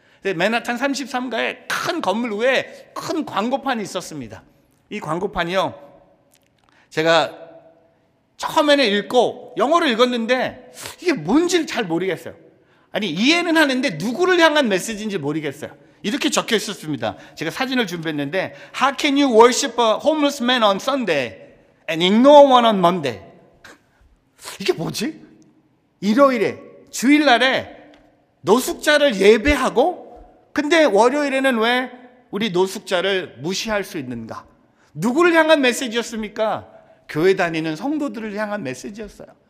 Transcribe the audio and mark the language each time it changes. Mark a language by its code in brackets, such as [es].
[ko] 맨하탄 33가에 큰 건물 위에 큰 광고판이 있었습니다. 이 광고판이요, 제가 처음에는 읽고 영어를 읽었는데 이게 뭔지를 잘 모르겠어요. 아니, 이해는 하는데 누구를 향한 메시지인지 모르겠어요. 이렇게 적혀 있었습니다. 제가 사진을 준비했는데 [en] How can you worship a homeless man on Sunday and ignore one on Monday? [ko] 이게 뭐지? 일요일에, 주일날에 노숙자를 예배하고 근데 월요일에는 왜 우리 노숙자를 무시할 수 있는가? 누구를 향한 메시지였습니까? 교회 다니는 성도들을 향한 메시지였어요.